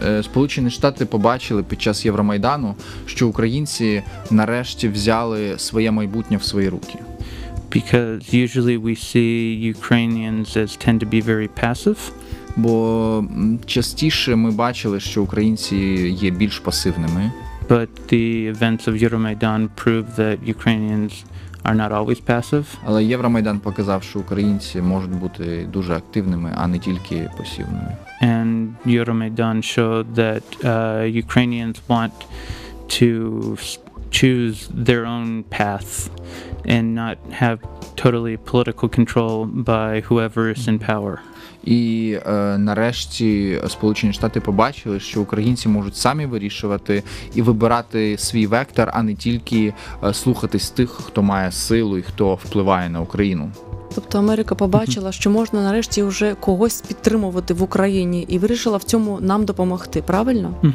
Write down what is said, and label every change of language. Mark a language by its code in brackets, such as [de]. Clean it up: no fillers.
[uk] Сполучені Штати побачили під час Євромайдану, що українці нарешті взяли своє майбутнє в свої руки. [en] because usually we see Ukrainians as tend to be very passive. [uk] Бо частіше ми бачили, що українці є більш пасивними. [en] But the events of Euromaidan prove that Ukrainians are not always passive. [uk] Але Євромайдан показав, що українці можуть бути дуже активними, а не тільки пасивними. [en] And Euromaidan showed that Ukrainians want to choose their own path and not have totally political control by whoever is in power. [uk] І нарешті Сполучені Штати побачили, що українці можуть самі вирішувати і вибирати свій вектор, а не тільки слухатись тих, хто має силу і хто впливає на Україну. Тобто Америка побачила, що можна нарешті вже когось підтримувати в Україні і вирішила в цьому нам допомогти, правильно?